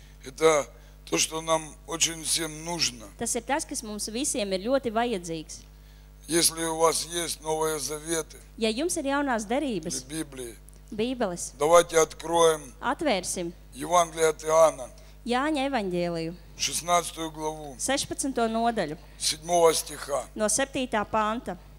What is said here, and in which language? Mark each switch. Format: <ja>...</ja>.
<ru>Это то, что нам очень всем нужно.</ru> <lv>Tas ir tas, kas mums visiem ir ļoti vajadzīgs.</lv> <ru>Если у вас есть новые заветы.</ru> <lv>Ja jums ir jaunās derības.</lv> <ru>Biblija.</ru> <lv>Bībeles.</lv> <ru>Давайте откроем.</ru> <lv>Atvērsim.</lv> <ru>Евангелие от Иоанна.</ru> <lv>Jāņa evaņģēliju.</lv> <ru>16. Glavu.</ru> <lv>16. Nodaļu.</lv> <ru>7. Stihā.</ru> <lv>No 7. Panta.</lv>